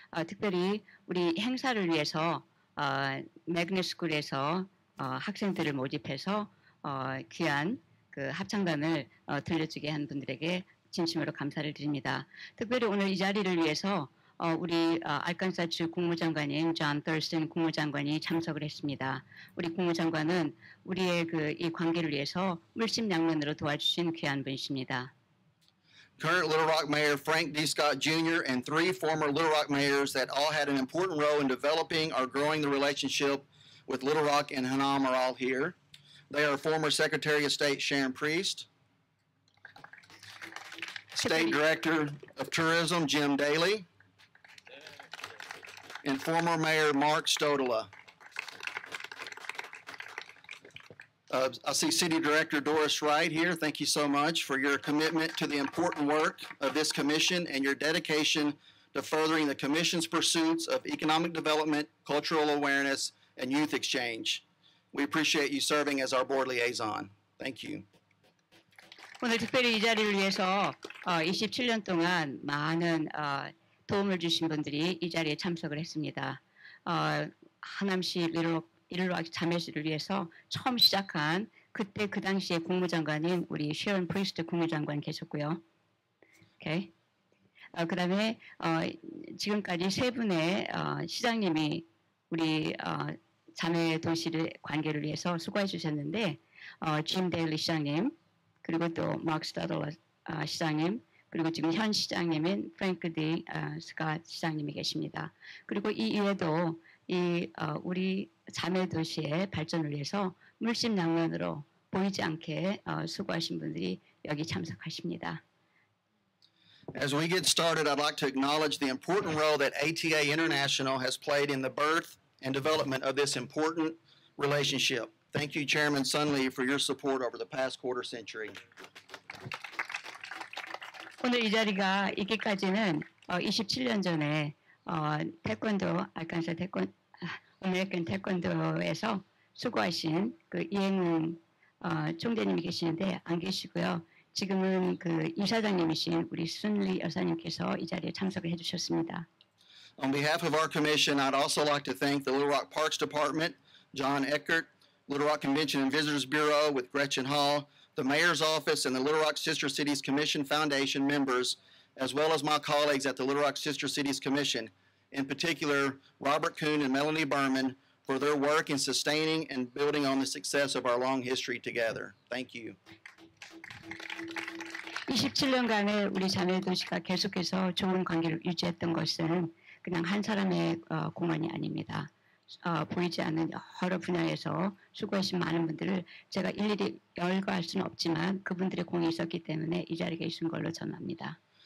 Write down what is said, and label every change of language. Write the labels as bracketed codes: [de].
[ko] 특별히 우리 행사를 위해서 매그넷스쿨에서 학생들을 모집해서 귀한 그 합창단을 들려주게 한 분들에게 진심으로 감사를 드립니다. 특별히 오늘 이 자리를 위해서 우리 알칸사주 국무장관인 존 더슨 국무장관이 참석을 했습니다. 우리 국무장관은 우리의 그 이 관계를 위해서 물심양면으로 도와주신 귀한 분이십니다. [en] current Little Rock Mayor Frank D. Scott Jr., and three former Little Rock mayors that all had an important role in developing or growing the relationship with Little Rock and Hanam are all here. They are former Secretary of State Sharon Priest, State Director of Tourism Jim Daly, and former Mayor Mark Stodola. I see City Director Doris Wright here. Thank you so much for your commitment to the important work of this commission and your dedication to furthering the commission's pursuits of economic development, cultural awareness, and youth exchange. We appreciate you serving as our board liaison. Thank you. [ko] 오늘 특별히 이 자리를 위해서 27년 동안 많은 도움을 주신 분들이 이 자리에 참석을 했습니다. 하남시 릴로락 자매시를 위해서 처음 시작한 그때 그 당시의 국무장관인 우리 셰언 프리스트 국무장관 계셨고요. 오케이. 그 다음에 지금까지 세 분의 시장님이 우리 자매 도시를 관계를 위해서 수고해 주셨는데 짐 데일리 시장님 그리고 또 마크 스타돌라 시장님 그리고 지금 현 시장님인 프랭크 디 스콧 시장님이 계십니다. 그리고 이 이외에도 이 우리 자매 도시의 발전을 위해서 물심양면으로 보이지 않게 수고하신 분들이 여기 참석하십니다. [en] As we get started, I'd like to acknowledge the important role that ATA International has played in the birth and development of this important relationship. Thank you, Chairman Sun Lee, for your support over the past quarter century. [ko] 오늘 이 자리가 있기까지는 27년 전에 태권도 아칸사 태권 아메리칸 태권도에서 수고하신 그 이행웅 총재님이 계시는데 안 계시고요. 지금은 그 이사장님이신 우리 순리 여사님께서 이 자리에 참석을 해 주셨습니다. [en] On behalf of our commission, I'd also like to thank the Little Rock Parks Department, John Eckert, Little Rock Convention and Visitors Bureau with Gretchen Hall, the Mayor's Office, and the Little Rock Sister Cities Commission Foundation members, as well as my colleagues at the Little Rock Sister Cities Commission, in particular, Robert Kuhn and Melanie Berman, for their work in sustaining and building on the success of our long history together. Thank you. [ko] 27년간의 우리 자매 도시가 계속해서 좋은 관계를 유지했던 것은 그냥 한 사람의 공헌이 아닙니다. 보이지 않는 여러 분야에서 수고하신 많은 분들을 제가 일일이 열거할 수는 없지만 그분들의 공이 있었기 때문에 이 자리에 계신 걸로 전합니다.